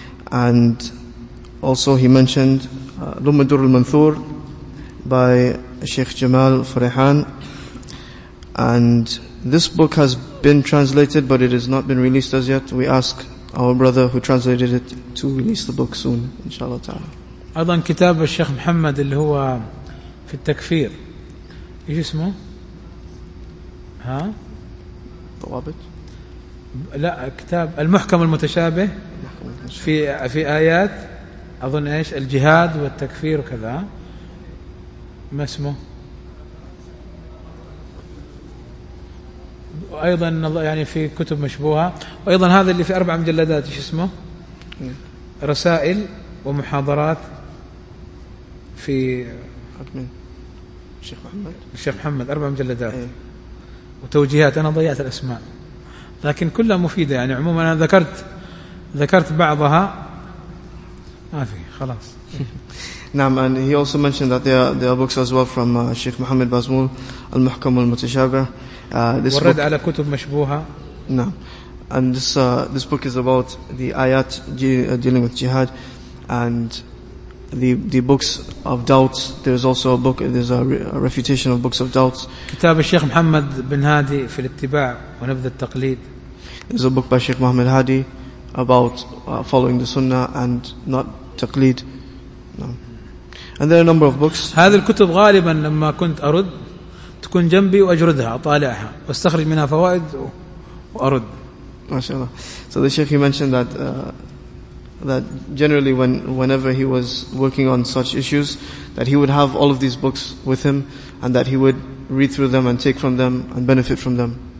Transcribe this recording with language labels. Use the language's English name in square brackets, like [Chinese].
[English] And also he mentioned Lumadur al-Manthur by Sheikh Jamal Farihan. And this book has been translated, but it has not been released as yet. We ask our brother who translated it to release the book soon, inshallah ta'ala. [Arabic] أيضا كتاب الشيخ محمد اللي هو في التكفير، إيش اسمه؟ ها؟ ضوابط؟ لا، كتاب المحكم المتشابه في آيات أظن إيش الجهاد والتكفير وكذا، ما اسمه؟ أيضا يعني في كتب مشبوهة، وأيضا هذا اللي في 4 مجلدات إيش اسمه؟ رسائل ومحاضرات في الشيخ محمد. الشيخ محمد 4 مجلدات وتوجيهات، أنا ضيعت الأسماء لكن كلها مفيدة يعني. عموما أنا ذكرت بعضها، ما في خلاص. نعم. [English] And he also mentioned that there are books as well from Sheikh Muhammad Bazmul, المحكم المتشابه. This [Arabic] ورد [English] book [Arabic] على كتب مشبوهة. نعم. [English] And this book is about the ayat dealing with jihad, and the books of doubts. There's also a book, there's a refutation of books of doubts. [Arabic] كتاب الشيخ محمد بن هادي في الاتباع ونبذ التقليد. [English] There's a book by Sheikh Muhammad Hadi about following the Sunnah and not taqlid. No. And there are a number of books. [Arabic] هذه الكتب غالبا لما كنت أرد تكون جنبي وأجردها أطالعها واستخرج منها فوائد وأرد. ما شاء الله. [English] So the Sheikh, he mentioned that that generally whenever he was working on such issues, that he would have all of these books with him, and that he would read through them and take from them and benefit from them.